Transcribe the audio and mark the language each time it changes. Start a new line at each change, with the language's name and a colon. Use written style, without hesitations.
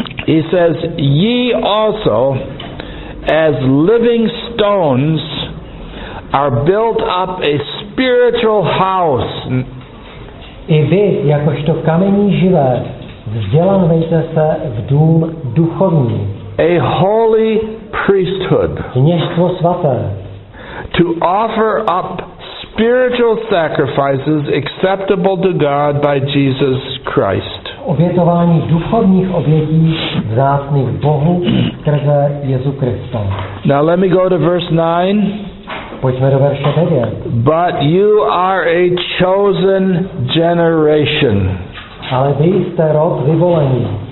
English: He says, ye also, as living stones, are built up a spiritual house.
Czech: I vy, jakožto kamení živé, vzdělávejte se v dům duchovní.
English: A holy priesthood.
Czech: Kněžstvo svaté.
English: To offer up spiritual sacrifices acceptable to God by Jesus Christ.
Czech: Obětování duchovních obětí vzácných Bohu skrze Jezu Krista.
English: Now let me go to verse 9.
Czech: Pojďme do verše 9.
English: But you are a chosen generation.
Czech: Ale vy jste rod vyvolený.